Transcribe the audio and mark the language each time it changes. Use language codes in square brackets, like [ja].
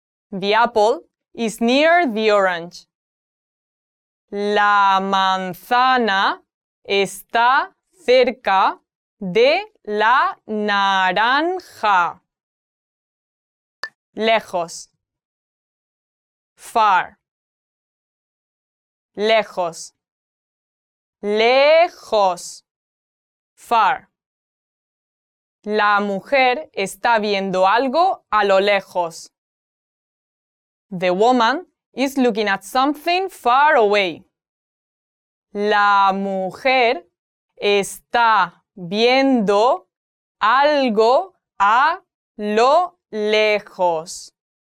[en] The apple is near the orange. [es] La manzana está cerca de la naranja. Lejos. [en] Far. [es] Lejos. Lejos. [en] Far. [es] La mujer está viendo algo a lo lejos. [en] The woman is looking at something far away. [es] La mujer está viendo algo a lo lejos.